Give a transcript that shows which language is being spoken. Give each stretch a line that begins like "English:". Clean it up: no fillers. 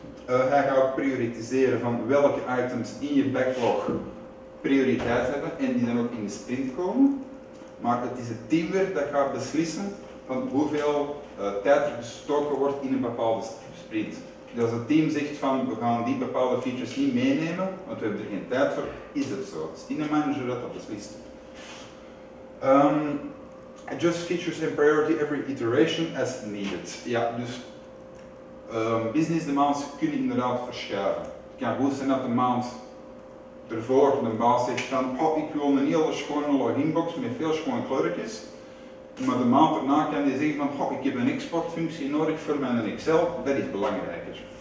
Dutch: Hij gaat ook prioritiseren van welke items in je backlog prioriteit hebben en die dan ook in de sprint komen. Maar het is het teamwerk dat gaat beslissen van hoeveel tijd er gestoken wordt in een bepaalde sprint. Dus als het team zegt van we gaan die bepaalde features niet meenemen, want we hebben er geen tijd voor, is het zo. Het is in de manager dat beslist.
English: Adjust features in priority every iteration as needed.
Dutch: Ja, dus business demands kunnen inderdaad verschuiven. Het kan goed zijn dat de maand ervoor de baas zegt van oh, ik wil een hele schone loginbox met veel schone kleurtjes. Maar de maand erna kan die zeggen van goh, ik heb een exportfunctie nodig voor mijn Excel, dat is belangrijker.